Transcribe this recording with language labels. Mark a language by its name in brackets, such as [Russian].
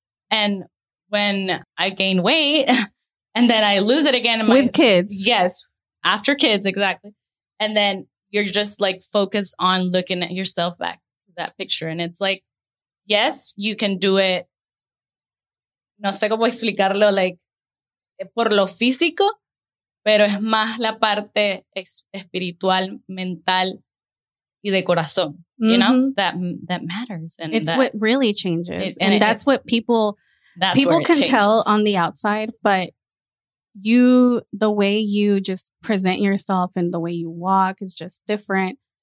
[English] And when I gain weight and then I lose it again. With kids. Yes. After kids. Exactly. And then you're just like focused on looking at yourself back to that picture. And it's like, yes, you can do it. [Spanish] No sé cómo explicarlo, like por lo físico, pero es más la parte espiritual, mental. Y de corazón, [English] you know, that matters. And it's what really changes. And that's what people can tell on the outside. But you, the way you just present yourself and the way you walk is just different.